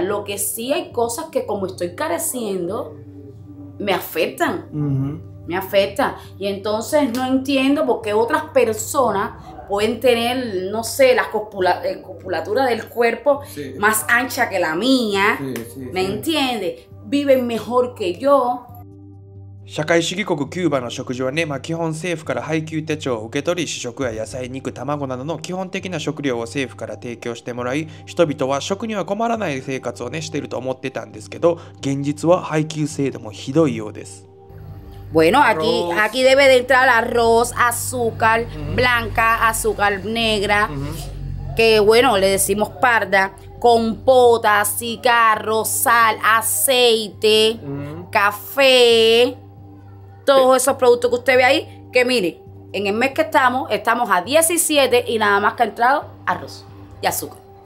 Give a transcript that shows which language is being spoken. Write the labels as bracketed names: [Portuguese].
[Spanish] Lo que sí hay cosas que como estoy careciendo, me afectan. Me afecta. Y entonces no entiendo por qué otras personas pueden tener, no sé, la copulatura del cuerpo más ancha que la mía. Sí, ¿me entiendes? Viven mejor que yo. [Japanese] 社会主義国キューバの食事はね、まあ、基本政府から配給手帳を受け取り、主食や野菜、肉、卵などの基本的な食料を政府から提供してもらい、人々は食には困らない生活をね、していると思ってたんですけど、現実は配給制度もひどいようです。 [Spanish] Bueno, aquí debe de entrar arroz, azúcar blanca, azúcar negra, que bueno, le decimos parda, compota, cigarro, sal, aceite, café, todos esos productos que usted ve ahí, que mire, en el mes que estamos a 17 y nada más que ha entrado arroz y azúcar.